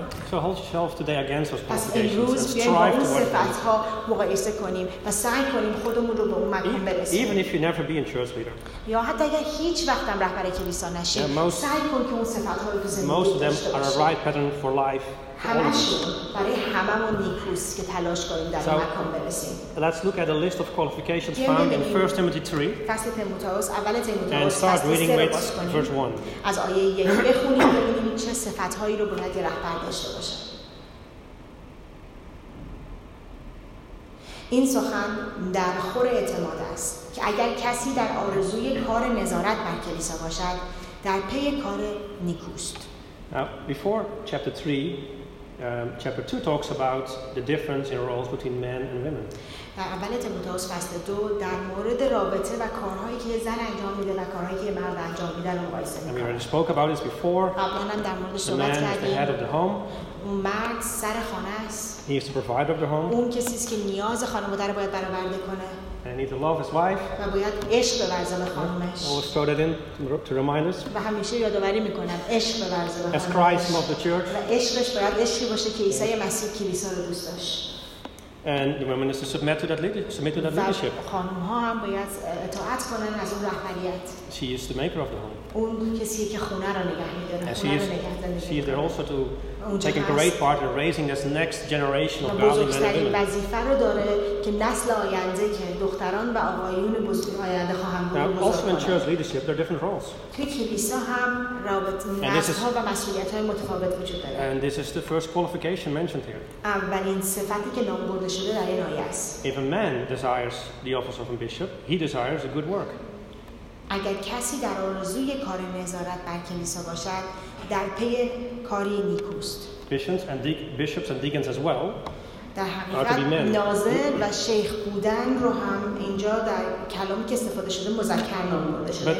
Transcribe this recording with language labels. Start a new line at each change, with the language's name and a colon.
English: So hold yourself today against those qualifications and strive towards them.
Persian: و سعی کنیم خودمون رو به اون مکان برسیم.
English: Even if you never be a church leader.
Persian: یا حتی اگر هیچ وقت هم رهبر کلیسا نشی، سعی کن که اون صفات رو تو زندگی داشته باشی.
English: Most of them are a right pattern for life.
Persian: برای هممون نیکوست که تلاش کنیم در این مکان برسیم.
English: Let's look at a list of qualifications found in 1 Timothy 3.
Persian: فصل تیموتائوس، اول تیموتائوس.
English: And start reading with verse 1.
Persian: از آیه 1 بخونیم ببینیم چه صفات‌هایی رو باید رهبر داشته باشه. این سخن در خور اعتماد است که اگر کسی در آرزوی کار نظارت بر کلیسا باشد در پی کار نیکوست.
English: Before chapter 3, chapter 2 talks about the difference in roles between men and women.
Persian: در اول تیموتائوس فصل 2 در مورد رابطه و کارهایی که زن انجام میده و کارهایی که مرد انجام میده رو مقایسه می‌کنه.
English: We already spoke about this before.
Persian: قبلاً هم در مورد صحبت کردیم.
English: The head of the home.
Persian: مرد سر خانه است.
English: He is the provider of the home.
Persian: اون کسی است که نیاز خانواده رو باید برآورده کنه.
English: And he's to love his wife.
Persian: و باید عشق بورزه به خانومش.
English: Always throw that in to remind us.
Persian: و همیشه یادآوری میکنم عشق بورزه به خانومش.
English: As Christ loved the church.
Persian: و عشقش باید عشقی باشه که عیسی مسیح کلیسا رو دوست داشت.
English: And the women is to submit to that leadership.
Persian: خانم‌ها هم باید اطاعت کنن از اون رهبریت.
English: She is the maker of the home.
Persian: اون کسی که خونه رو نگه می‌داره.
English: She is there also to take a great part in raising this next generation of godly men.
Persian: بزرگترین وظیفه رو داره که نسل آینده که دختران و آقایون بزرگ آینده خواهند بود.
English: Now, also in church leadership, there are different roles.
Persian: کلیسا هم رابطه‌ها و مسئولیت‌های متفاوت وجود داره.
English: And this is the first qualification mentioned here.
Persian: اولین صفتی که نام برده شده در این آیه است.
English: If a man desires the office of a bishop, he desires a good work.
Persian: اگر کسی در آرزوی کار نظارت بر کلیسا باشد، در پی کاری نیکوست.
English: Bishops and deacons as well.
Persian: در حقیقت ناظر و شیخ بودن رو هم اینجا در کلامی که استفاده شده مذکر نام برده شده.